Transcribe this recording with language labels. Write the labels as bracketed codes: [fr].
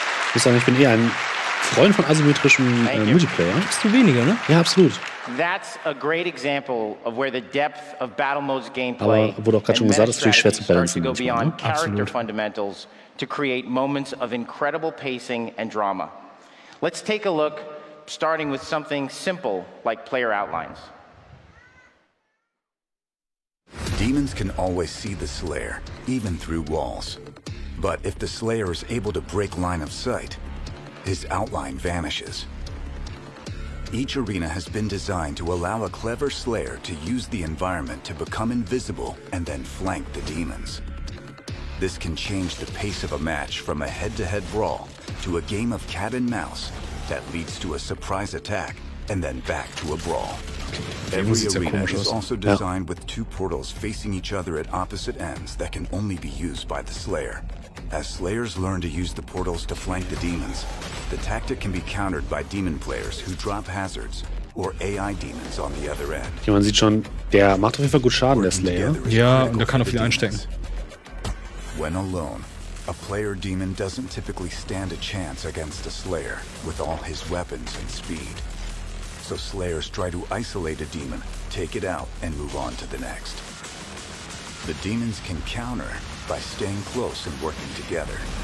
[de] Ich muss sagen, ich bin eher ein Freund von asymmetrischem Multiplayer. Bist du weniger, ne? Ja, absolut. [en] That's a great example of where the depth of Battle Mode's gameplay. [de] Aber wurde auch gerade schon gesagt, dass es schwer zu balancen ist. Absolut. [en] Fundamentals to create moments of incredible pacing and drama. Let's take a look, starting with something simple like player outlines. Demons can always see the Slayer, even through walls. But if the Slayer is able to break line of sight, his outline vanishes. Each arena has been designed to allow a clever Slayer to use the environment to become invisible and then flank the demons. This can change the pace of a match from a head-to-head brawl to a game of cat and mouse that leads to a surprise attack and then back to a brawl. Every arena is also designed with 2 portals facing each other at opposite ends that can only be used by the Slayer. As Slayers learn to use the portals to flank the demons, the tactic can be countered by demon players who drop hazards or AI demons on the other end. [de] Ja, man sieht schon, der macht auf jeden Fall gut Schaden, der Slayer. Ja, und der kann auch viel einstecken. [en] When alone, a player demon doesn't typically stand a chance against a Slayer with all his weapons and speed. So Slayers try to isolate a demon, take it out, and move on to the next. The demons can counter by staying close and working together.